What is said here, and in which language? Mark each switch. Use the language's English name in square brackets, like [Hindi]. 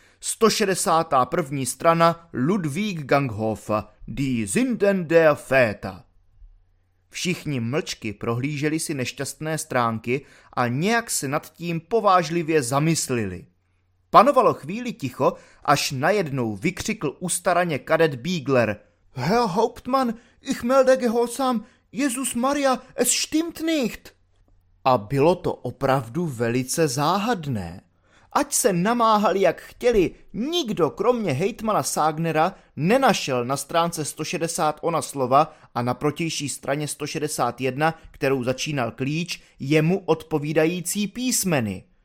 [Czech] 161. strana Ludwig Ganghof, Die Sinden der Väter. Všichni mlčky prohlíželi si nešťastné stránky a nějak se nad tím povážlivě zamyslili. Panovalo chvíli ticho, až najednou vykřikl ustaraně kadet Biegler. [German] Herr Hauptmann, ich melde gehorsam, Jesus Maria, es stimmt nicht. [Czech] A bylo to opravdu velice záhadné. Ať se namáhali, jak chtěli, nikdo kromě hejtmana Sagnera nenašel na stránce 160 ona slova a na protější straně 161, kterou začínal klíč, jemu odpovídající písmeny.